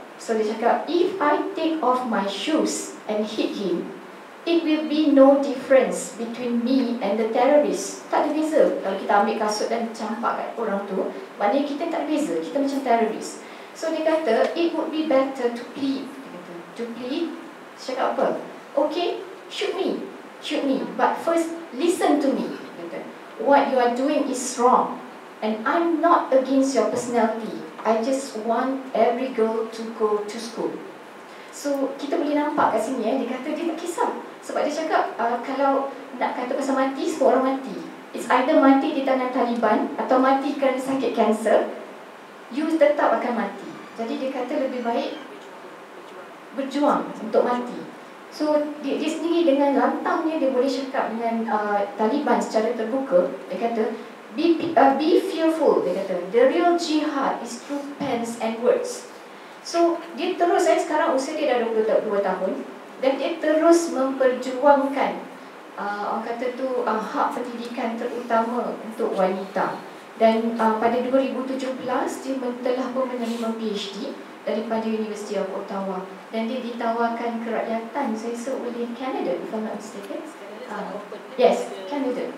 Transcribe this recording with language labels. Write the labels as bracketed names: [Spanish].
[Malay] So dia cakap, [English] if I take off my shoes and hit him, it will be no difference between me and the terrorist. [Malay] Tak ada beza kalau kita ambil kasut dan campak kat orang tu. Maknanya kita tak ada beza, kita macam terrorist. So dia kata, [English] it would be better to plead. [Malay] Dia kata, [English] to plead? [Malay] Dia cakap apa? [English] Okay, shoot me, but first listen to me. What you are doing is wrong, and I'm not against your personality. I just want every girl to go to school. [Malay] So kita boleh nampak kat sini, dia kata dia tak kisah. Sebab dia cakap kalau nak kata pasal mati, semua orang mati. [English] It's either [Malay] mati di tangan Taliban atau mati kerana sakit kanser, you tetap akan mati. Jadi dia kata lebih baik berjuang untuk mati. So dia sendiri dengan lantangnya dia boleh cakap dengan Taliban secara terbuka. Dia kata, [English] be fearful, [Malay] dia kata, [English] the real jihad is through pens and words. [Malay] So dia terus, sekarang usia dia dah 22 tahun, dan dia terus memperjuangkan orang kata tu hak pendidikan terutama untuk wanita. Dan pada 2017 dia telah pun menerima PhD daripada University of Ottawa, dan dia ditawarkan kerakyatan, saya rasa, oleh Canada, [English] if I'm not mistaken, [Malay] Yes, kan itu.